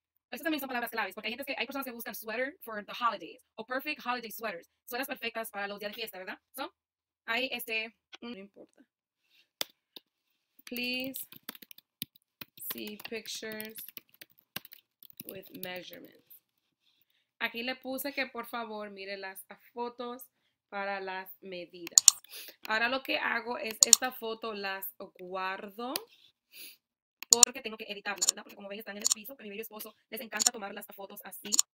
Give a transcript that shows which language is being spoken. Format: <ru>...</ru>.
<es>Estas también son palabras claves, porque hay personas que buscan</es> <en>sweater for the holidays</en> <es>o</es> <en>perfect holiday sweaters.</en> <es>Sueras perfectas para los días de fiesta, ¿verdad? So, hay No importa.</es> <en>Please see pictures with measurements.</en> <es>Aquí le puse que por favor mire las fotos para las medidas. Ahora lo que hago es esta foto las guardo. Porque tengo que editarla, ¿verdad? Porque como ven, están en el piso. Mi bello esposo les encanta tomar las fotos así.</es>